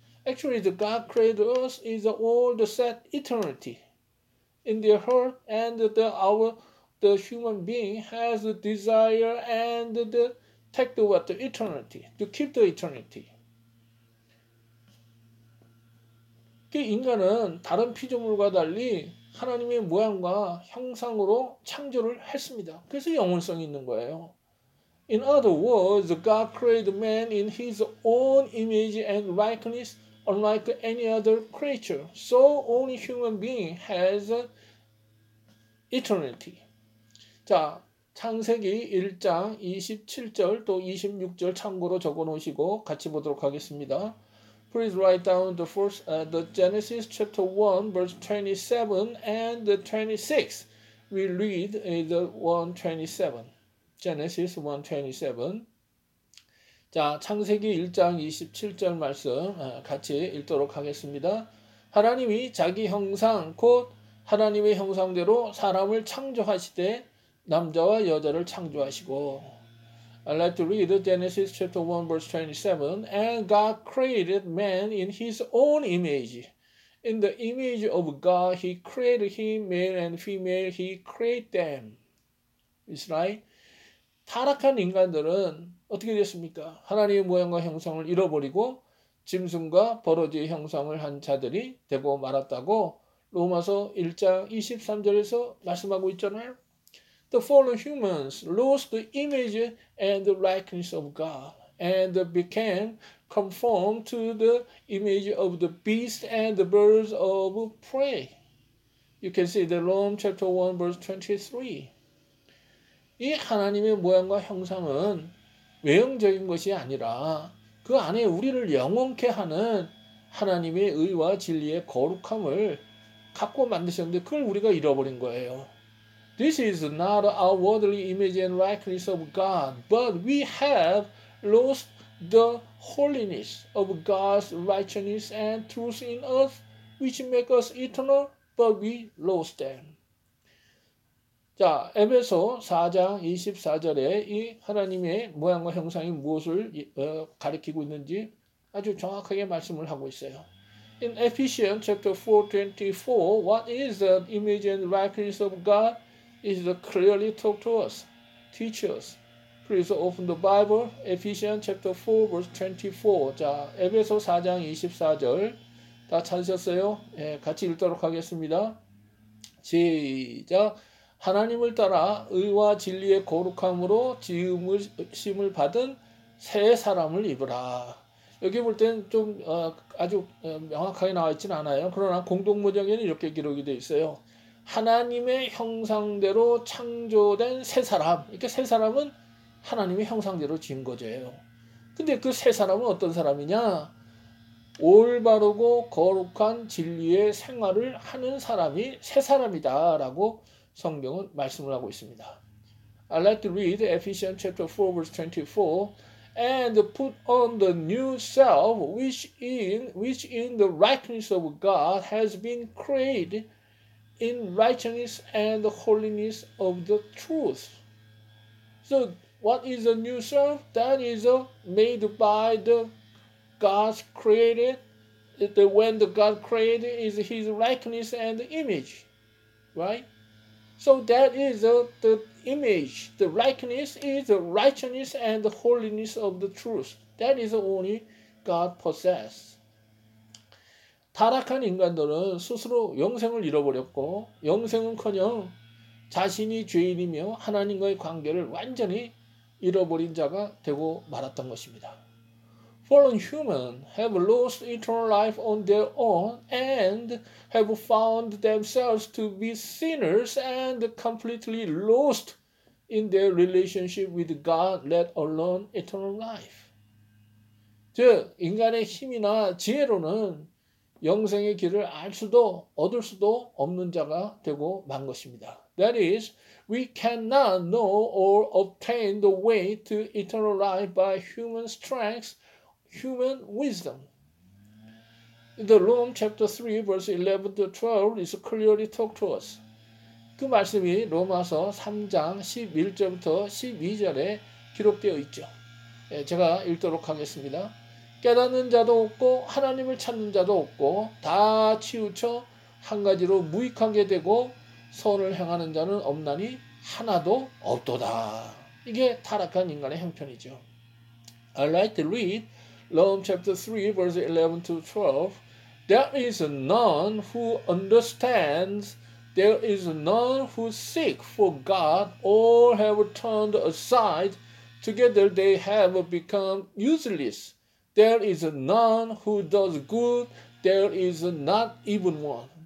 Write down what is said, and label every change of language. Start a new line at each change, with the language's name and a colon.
English: Actually, the God created us is all the set eternity in their heart, and the human being has the desire and the take the what the eternity to keep the eternity.
Korean: 인간은 다른 피조물과 달리 하나님의 모양과 형상으로 창조를 했습니다. 그래서 영원성이 있는 거예요.
English: In other words, God created man in his own image and likeness, unlike any other creature. So only human being has eternity.
Korean: 자, 창세기 1장 27절 또 26절 참고로 적어 놓으시고 같이 보도록 하겠습니다.
English: Please write down the Genesis chapter 1 verse 27 and the 26. We read the 127. Genesis 127.
Korean: 자, 창세기 1장 27절 말씀 같이 읽도록 하겠습니다. 하나님이 자기 형상 곧 하나님의 형상대로 사람을 창조하시되 남자와 여자를 창조하시고.
English: I like to read Genesis chapter 1 verse 27. And God created man in his own image. In the image of God, he created him, male and female, he created them. It's right.
Korean: 타락한 인간들은 어떻게 됐습니까? 하나님의 모양과 형상을 잃어버리고 짐승과 버러지의 형상을 한 자들이 되고 말았다고 로마서 1장 23절에서 말씀하고 있잖아요.
English: The fallen humans lost the image and the likeness of God and became conformed to the image of the beast and the birds of prey. You can see the Rome chapter 1 verse 23.
Korean: 이 하나님의 모양과 형상은 외형적인 것이 아니라 그 안에 우리를 영원케 하는 하나님의 의와 진리의 거룩함을 갖고 만드셨는데 그걸 우리가 잃어버린 거예요.
English: This is not our worldly image and likeness of God, but we have lost the holiness of God's righteousness and truth in us, which make us eternal, but we lost them.
Korean: 자, 에베소 4장 24절에 이 하나님의 모양과 형상이 무엇을 가리키고 있는지 아주 정확하게 말씀을 하고 있어요.
English: In Ephesians chapter 4:24, what is the image and likeness of God is clearly taught to us. Teach us. Please open the Bible. Ephesians chapter 4 verse 24.
Korean: 자, 에베소 4장 24절 다 찾으셨어요? 예, 같이 읽도록 하겠습니다. 시작. 하나님을 따라 의와 진리의 거룩함으로 지음을 받은 새 사람을 입으라. 여기 볼 땐 좀 아주 명확하게 나와 있지는 않아요. 그러나 공동모정에는 이렇게 기록이 되어 있어요. 하나님의 형상대로 창조된 새 사람. 이렇게 새 사람은 하나님의 형상대로 지은 거죠. 근데 그 새 사람은 어떤 사람이냐? 올바르고 거룩한 진리의 생활을 하는 사람이 새 사람이다 라고 성경은 말씀을 하고 있습니다.
English: I'd like to read Ephesians chapter 4 verse 24 and put on the new self which in the likeness of God has been created in righteousness and holiness of the truth. So what is the new self? That is made by the God created, when the God created is his likeness and image, right? So that is the image, the likeness is the righteousness and the holiness of the truth. That is only God possess.
Korean: 타락한 인간들은 스스로 영생을 잃어버렸고 영생은커녕 자신이 죄인이며 하나님과의 관계를 완전히 잃어버린 자가 되고 말았던 것입니다.
English: Fallen humans have lost eternal life on their own and have found themselves to be sinners and completely lost in their relationship with God, let alone eternal life.
Korean: 즉, 인간의 힘이나 지혜로는 영생의 길을 알 수도 얻을 수도 없는 자가 되고 만 것입니다.
English: That is, we cannot know or obtain the way to eternal life by human strengths human wisdom. The Rome chapter 3 verse 11 to 12 is clearly talked to us.
Korean: 그 말씀이 로마서 3장 11절부터 12절에 기록되어 있죠. 예, 제가 읽도록 하겠습니다. 깨닫는 자도 없고 하나님을 찾는 자도 없고 다 치우쳐 한 가지로 무익하게 되고 선을 행하는 자는 없나니 하나도 없도다. 이게 타락한 인간의 형편이죠.
English: I like to read Rome chapter 3 verse 11 to 12. There is none who understands, there is none who seek for God, all have turned aside, together they have become useless. There is none who does good, there is not even one.